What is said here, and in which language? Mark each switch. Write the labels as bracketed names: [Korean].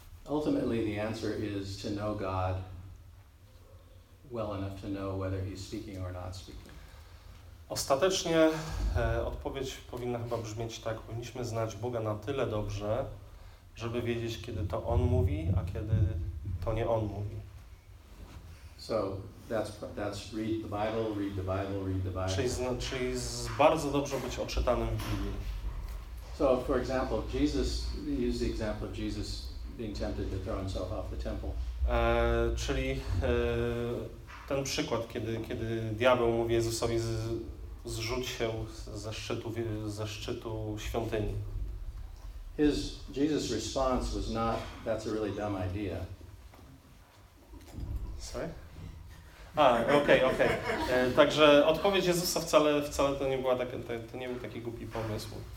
[English] Ultimately, the answer is to know God well enough to know whether He's speaking or not speaking. [Polish] Ostatecznie odpowiedź powinna chyba brzmieć tak: powinniśmy znać Boga na tyle dobrze, żeby wiedzieć, kiedy to On mówi, a kiedy to nie On mówi. [English] So that's read the Bible, read the Bible, read the Bible. [Polish] Czyli bardzo dobrze być oczytanym w Biblii. [English] So for example, Jesus, use the example of Jesus being tempted to throw himself off the temple. [Polish] Czyli ten przykład, kiedy diabeł mówi Jezusowi zrzuć się ze szczytu świątyni. [English] Jesus' response was not that's a really dumb idea. Sorry? Okej. [Polish] Także odpowiedź Jezusa wcale to nie była taka, to nie był taki głupi pomysł.